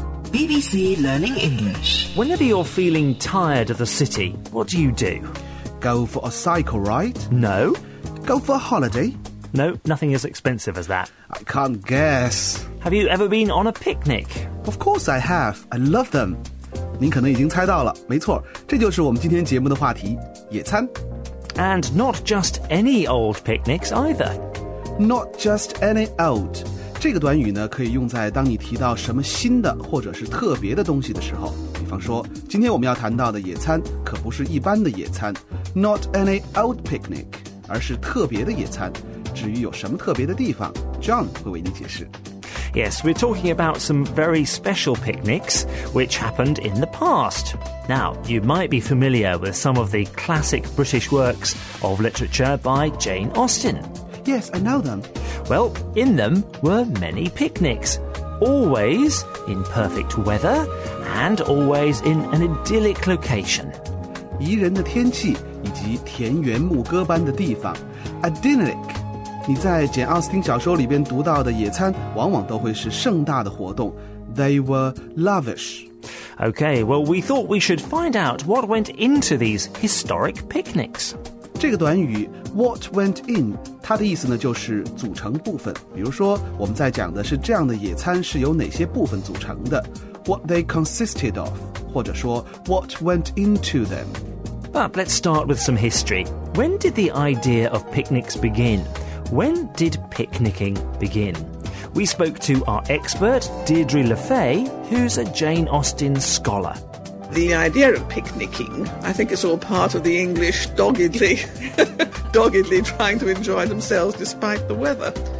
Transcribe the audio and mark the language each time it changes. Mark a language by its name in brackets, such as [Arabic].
[English] BBC Learning English. Whenever you're feeling tired of the city, what do? Go for a cycle ride? No. Go for a holiday? No, nothing as expensive as that. I can't guess. Have you ever been on a picnic? Of course I have. I love them. [Chinese] 您可能已经猜到了，没错，这就是我们今天节目的话题，野餐。 [English] And not just any old picnics either. Not just any old. [Chinese] 这个短语呢，可以用在当你提到什么新的或者是特别的东西的时候。比方说，今天我们要谈到的野餐可不是一般的野餐 ， [English] not any old picnic， [Chinese] 而是特别的野餐。至于有什么特别的地方 ，John 会为你解释。 [English] Yes, we're talking about some very special picnics which happened in the past. Now, you might be familiar with some of the classic British works of literature by Jane Austen. Yes, I know them. Well, in them were many picnics, always in perfect weather and always in an idyllic location. [Chinese] 宜人的天气以及田园牧歌般的地方 ,idyllic. 你在简奥斯汀小说里边读到的野餐往往都会是盛大的活动 , [English] they were lavish. Okay, well, we thought we should find out what went into these historic picnics. [Chinese] 这个短语 [English] what went in [Chinese] 它的意思呢就是组成部分比如说我们在讲的是这样的野餐是由哪些部分组成的 [English] what they consisted of [Chinese] 或者说 [English] what went into them But let's start with some history When did the idea of picnics begin? When did picnicking begin? We spoke to our expert Deirdre LeFay who's a Jane Austen scholar The idea of picnicking, I think it's all part of the English doggedly trying to enjoy themselves despite the weather.